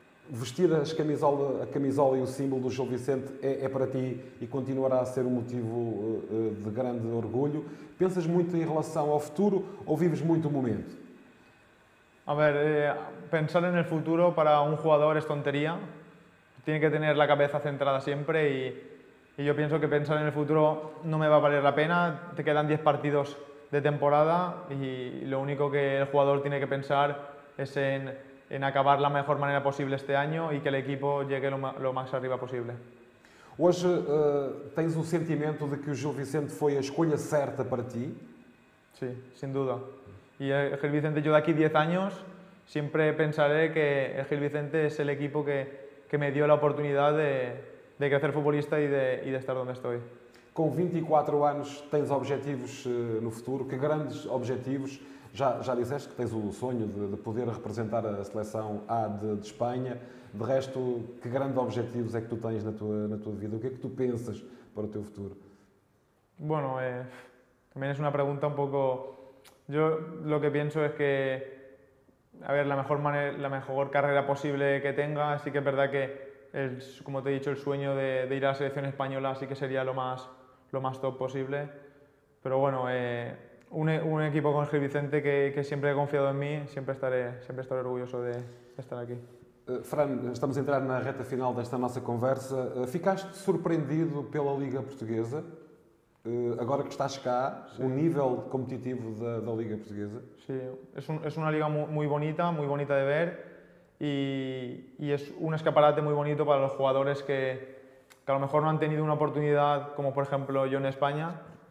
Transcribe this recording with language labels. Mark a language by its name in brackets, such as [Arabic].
[Portuguese] Vestir a camisola e o símbolo do Gil Vicente é para ti e continuará a ser um motivo de grande orgulho. Pensas muito em relação ao futuro ou vives muito o momento? [Spanish] A ver, [Portuguese] pensar no futuro para um jogador é tonteria. [Spanish] Tiene que tener la cabeza centrada siempre y yo pienso que pensar en el futuro no me va a valer la pena. Te quedan 10 partidos de temporada y lo único que el jugador tiene que pensar es en acabar la mejor manera posible este año y que el equipo llegue lo más arriba posible. Hoy, ¿tienes un sentimiento de que Gil Vicente fue la [Portuguese] escolha certa [Spanish] para ti? Sí, sin duda. Y Gil Vicente, yo de aquí 10 años siempre pensaré que Gil Vicente es el equipo que me dio la oportunidad de crecer futbolista y de estar donde estoy. [Portuguese] Com 24 anos, tens objetivos no futuro? Que grandes objetivos? Já disseste que tens o sonho de poder representar a seleção A de Espanha. De resto, que grandes objetivos é que tu tens na tua vida? O que é que tu pensas para o teu futuro? [Spanish] Bueno, también es una pregunta un poco. Yo lo que pienso es que, a ver, la mejor carrera posible que tenga. Sí que es verdad que, como te he dicho, el sueño de ir a la selección española sí que sería lo más top posible. Pero bueno, un equipo con Gil Vicente que siempre ha confiado en mí, siempre estaré orgulloso de estar aqui. [Portuguese] Fran, estamos a entrar na reta final desta nossa conversa. Ficaste surpreendido pela Liga Portuguesa? Agora que estás cá, sim. O nível competitivo da Liga Portuguesa? Sim, é uma liga muito bonita de ver e é um escaparate muito bonito para os jogadores que [Spanish] a lo mejor [Portuguese] não han tenido uma oportunidade, como por exemplo eu na Espanha.